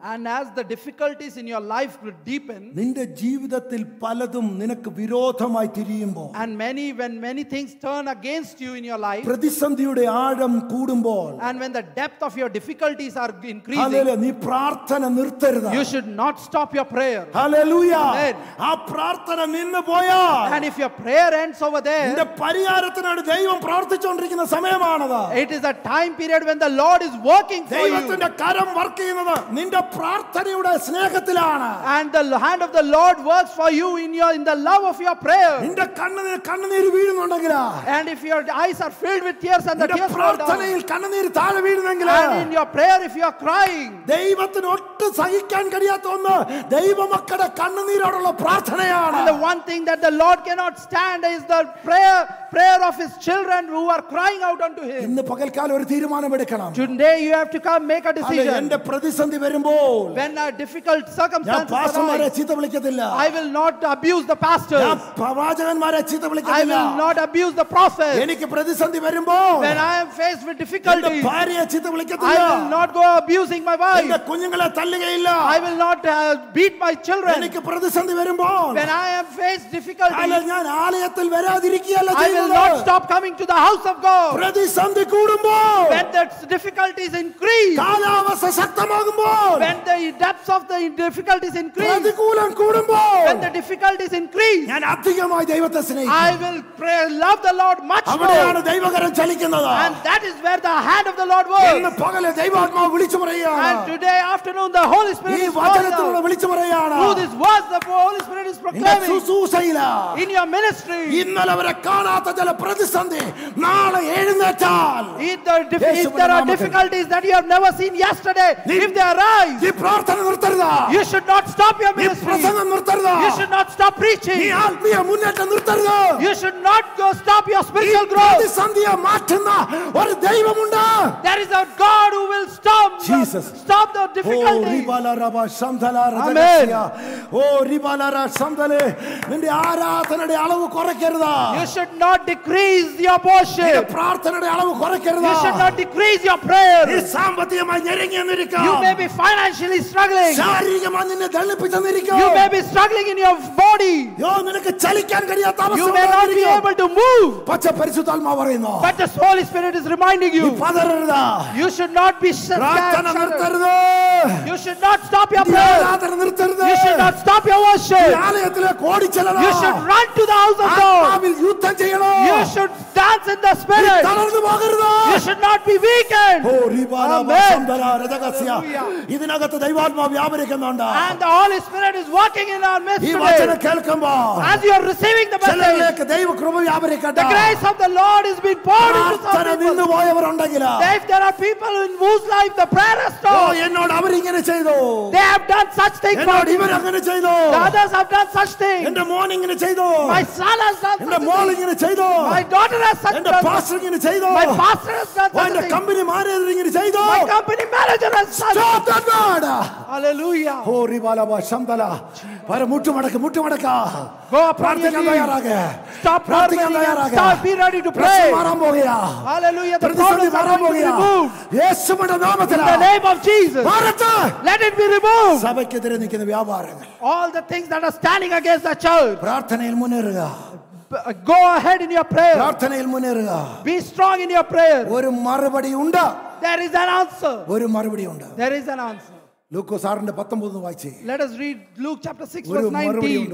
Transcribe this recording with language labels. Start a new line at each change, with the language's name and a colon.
English: and as the difficulties in your life will deepen,
Malayalam: നിന്റെ ജീവിതത്തിൽ പലതും നിനക്ക് വിരോധമായി തിരിയുമ്പോൾ,
English: and many when many things turn against you in your life,
Malayalam: പ്രതിസന്ധിയുടെ ആഴം കൂടുമ്പോൾ,
English: and when the depth of your difficulties are increasing,
Malayalam: hallelujah, നീ പ്രാർത്ഥന നിർത്തരുത്.
English: You should not stop your prayer.
Malayalam: ഹല്ലേലൂയാ. ആ പ്രാർത്ഥന നിന്നു പോയാൽ,
English: and if your prayer ends over there,
Malayalam: നിന്റെ പരിഹാരത്തിനായി ദൈവം പ്രാർത്ഥിച്ചുകൊണ്ടിരിക്കുന്ന സമയമാണത്.
English: It is a time period when the Lord is working for you.
Malayalam: ദൈവത്തിന്റെ കരം വർക്ക് ചെയ്യുന്നത് നിന്റെ പ്രാർത്ഥനയുടെ സ്നേഹത്തിലാണ്.
English: And the hand of the Lord works for you in your in the love of your prayer.
Malayalam: നിന്റെ കണ്ണിൽ കണ്ണുനീർ വീഴുന്നുണ്ടെങ്കിൽ,
English: and if your eyes are filled with tears and the tears fall down,
Malayalam: നിന്റെ പ്രാർത്ഥനയിൽ കണ്ണുനീർ താഴെ വീഴുന്നെങ്കിൽ,
English: and in your prayer if you are crying,
Malayalam: ദൈവത്തിന് ഒട്ടും സഹിക്കാൻ കഴിയാത്ത ഒന്ന് ദൈവമക്കളുടെ കണ്ണുനീരോടുള്ള പ്രാർത്ഥനയാണ്.
English: And the one thing that the Lord cannot stand is the prayer of his children who are crying out unto him.
Malayalam: ഇന്ന് പകൽക്കാലം ഒരു തീരുമാനം എടുക്കണം.
English: Today you have to come make a decision.
Malayalam: എന്റെ പ്രതിസന്ധി വരുമ്പോൾ,
English: when a difficult circumstance,
Malayalam: ഞാൻ പാസ്റ്റർമാരെ ചീത്ത വിളിക്കില്ല.
English: I will not abuse the pastors.
Malayalam: ഞാൻ പ്രവാചകന്മാരെ ചീത്ത വിളിക്കില്ല.
English: I will not abuse the prophets.
Malayalam: എനിക്ക് പ്രതിസന്ധി വരുമ്പോൾ,
English: when I am faced with difficulties,
Malayalam: എന്റെ ഭാര്യയെ ചീത്ത വിളിക്കില്ല.
English: I will not go abusing my wife.
Malayalam: എന്റെ കുഞ്ഞുങ്ങളെ തല്ലുകയില്ല.
English: I will not beat my children.
Malayalam: എനിക്ക് പ്രതിസന്ധി വരുമ്പോൾ,
English: when I am faced difficulties,
Malayalam: അല്ല ഞാൻ ആലയത്തിൽ വരാതിരിക്കയല്ല.
English: I will not stop coming to the house of God.
Malayalam: പ്രതിസന്ധി കൂടുമ്പോൾ,
English: when the difficulties increase,
Malayalam: കാലാവസ്ഥ ശക്തമാകുമ്പോൾ,
English: when the depths of the difficulties increase,
Malayalam: പ്രതികൂലം കൂടുമ്പോൾ,
English: when the difficulties increase,
Malayalam: ഞാൻ അധികമായി ദൈവത്തെ സ്നേഹിക്കും.
English: I will pray, love the Lord much more.
Malayalam: അവിടെയാണ് ദൈവകരം ചലിക്കുന്നത്.
English: And that is where the hand of the Lord works.
Malayalam: ഇന്ന് പകലേ ദൈവാത്മാവ് വിളിച്ചു പറയുകയാണ്.
English: And today afternoon the Holy Spirit is calling.
Malayalam: ഈ വചനത്തിലൂടെ വിളിച്ചു പറയുകയാണ്.
English: Through this word the Holy Spirit is proclaiming.
Malayalam: ഇന്ന് സുസൂസയില,
English: in your ministry,
Malayalam: ഇന്നലെ വരെ കാണാത്ത ചില പ്രതിസന്ധി നാളെ എഴുന്നേറ്റാൽ,
English: if there are difficulties that you have never seen yesterday, if they arise,
Malayalam: ഈ പ്രാർത്ഥന നിർത്തരുതാ.
English: You should not stop your ministry.
Malayalam: ഈ പ്രസംഗം നിർത്തരുതാ.
English: You should not stop preaching.
Malayalam: ഈ ആത്മീയ മുന്നേറ്റം നിർത്തരുതാ.
English: You should not go stop your spiritual growth.
Malayalam: ഈ പ്രതിസന്ധിയെ മാറ്റുന്ന ഒരു ദൈവമുണ്ട്.
English: There is a God who will stop Jesus. Stop the difficulties. ഓ റിബാലാരാ ശംതലാ രദഗസിയ. ഓ റിബാലാരാ ശംതലേ,
Malayalam: നിന്റെ ആരാധനയുടെ അളവ് കുറയ്ക്കരുതാ.
English: You should not decrease your portion.
Malayalam: നിന്റെ പ്രാർത്ഥനയുടെ അളവ് കുറയ്ക്കരുതാ.
English: You should not decrease your prayer.
Malayalam: ഈ സാമ്പത്തികമായി ഞെരുങ്ങി നിൽക്കുക.
English: You may be financially struggling.
Malayalam: ശാരീരികമായി നിന്നെ തള്ളിപ്പിച്ചു നിൽക്കുക.
English: You may be struggling in your body.
Malayalam: യോ നിനക്ക് ചലിക്കാൻ കഴിയാത്ത അവസ്ഥ.
English: You may not be able to move.
Malayalam: പക്ഷേ പരിശുദ്ധാത്മാവ് പറയുന്നു,
English: but the Holy Spirit is reminding you.
Malayalam: നീ പതറരുത.
English: You should not be
Malayalam: പ്രാർത്ഥന നിർത്തരുത.
English: You should not stop your prayer.
Malayalam: ആരാധന നിർത്തരുത.
English: You should not stop your worship.
Malayalam: ഈ ആലയത്തിലേക്ക് ഓടിച്ചെല്ലണം.
English: You should run to the house of God.
Malayalam: ആത്മാവിൽ യുദ്ധം ചെയ്യണം.
English: You should dance in the spirit.
Malayalam: തളർന്നു പോകരുത്.
English: You should not be weakened. ഓ റിബാലാ രദഗസിയ,
Malayalam: ഇതിനകത്ത് ദൈവാത്മാവ് വ്യാപരിക്കുന്നുണ്ട്.
English: And the Holy Spirit is working in our midst.
Malayalam: ഈ വചനം കേൾക്കുമ്പോൾ,
English: as you are receiving the message,
Malayalam: ചിലരിലേക്ക് ദൈവ കൃപ വ്യാപരിക്കട്ടെ.
English: The grace of the Lord is being poured into some people.
Malayalam: നിന്നു പോയവർ ഉണ്ടെങ്കിൽ,
English: if there are people in whose life the prayer has stopped,
Malayalam: ഓ എന്നോട് അവർ ഇങ്ങനെ ചെയ്തു,
English: they have done such things,
Malayalam: എന്നോട് ഇവർ അങ്ങനെ ചെയ്തു,
English: the others have done such things,
Malayalam: എന്റെ മോൻ ഇങ്ങനെ ചെയ്തു,
English: my son has done,
Malayalam: എന്റെ മോൾ ഇങ്ങനെ ചെയ്തു,
English: my daughter has such,
Malayalam: എന്റെ പാസ്റ്റർ ഇങ്ങനെ ചെയ്തു,
English: my pastor has done such things,
Malayalam: എന്റെ കമ്പനി മാനേജർ ഇങ്ങനെ ചെയ്തു,
English: my company manager has such, stop that God. Hallelujah. ഓ റിബാലാ ശംതല,
Malayalam: വര മുട്ടുമടക്ക് മുട്ടുമടക്ക,
English: go
Malayalam: പ്രാർത്ഥിക്കാൻ തയ്യാറാകെ,
English: stop
Malayalam: പ്രാർത്ഥിക്കാൻ തയ്യാറാകെ,
English: start be ready to pray.
Malayalam: മാറാൻ പോകയാ.
English: Hallelujah.
Malayalam: പ്രതിസന്ധി മാറാൻ പോകയാ. യേശുവിന്റെ നാമത്തിൽ,
English: in the name of Jesus,
Malayalam: മാറട്ടെ.
English: Let it be removed.
Malayalam: സഭയ്ക്കെതിരെ നിൽക്കുന്ന വ്യാപാരങ്ങൾ,
English: all the things that are standing against the church,
Malayalam: പ്രാർത്ഥനയിൽ മുന്നേറുക.
English: Go ahead in your prayer.
Malayalam: പ്രാർത്ഥനയിൽ മുന്നേറുക.
English: Be strong in your prayer.
Malayalam: ഒരു മറുപടി ഉണ്ട്.
English: There is an answer.
Malayalam: ഒരു മറുപടി ഉണ്ട്.
English: There is an answer.
Malayalam: ലൂക്കോസ് ആറിന്റെ 19 വായിച്ചേ.
English: Let us read Luke chapter 6 verse 19.